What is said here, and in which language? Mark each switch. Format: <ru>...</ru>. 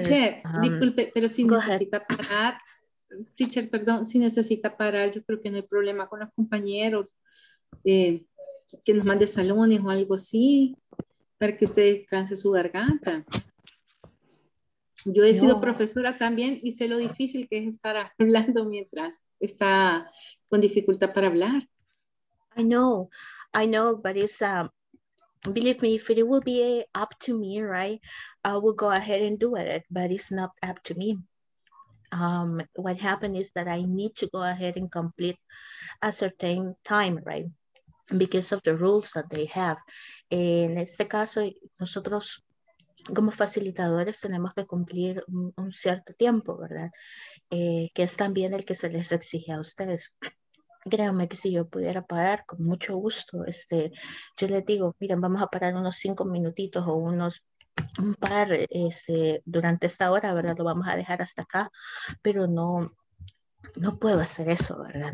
<es>Teacher, disculpe, pero si necesita parar, teacher, perdón, si necesita parar, yo creo que no hay problema con los compañeros, que nos mande salones o algo así, para que usted descanse su garganta. Yo he sido profesora también, y sé lo difícil que es estar hablando mientras está con dificultad para hablar.</es> <en>I know, but it's... Believe me, if it will be up to me, right, I will go ahead and do it, but it's not up to me. What happened is that I need to go ahead and complete a certain time, right, because of the rules that they have.</en> <es>En este caso, nosotros como facilitadores tenemos que cumplir un cierto tiempo, ¿verdad? Que es también el que se les exige a ustedes. Créanme que si yo pudiera parar, con mucho gusto, yo les digo, miren, vamos a parar unos 5 minutitos o unos un par durante esta hora, ¿verdad? Lo vamos a dejar hasta acá, pero no puedo hacer eso, ¿verdad?</es>